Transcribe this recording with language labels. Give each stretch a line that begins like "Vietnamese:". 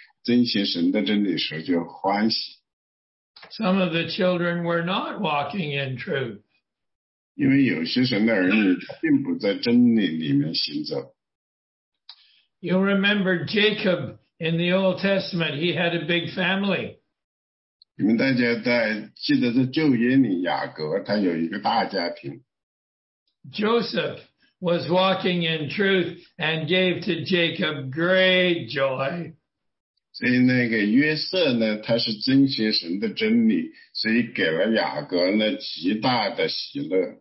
Chinese: 但在这个第四节里并没有说，如果这是神的，看见你们所有的人都在遵循神的真理时就欢喜。
English: Some of the children were not walking in truth.
Chinese: 因为有些神的儿女并不在真理里面行走。
English: You remember Jacob in the Old Testament, he had a big family.
Chinese: 你们大家在记得在旧约里，雅各他有一个大家庭。
English: Joseph was walking in truth and gave to Jacob great joy.
Chinese: 所以那个约瑟呢，他是遵循神的真理，所以给了雅各呢极大的喜乐。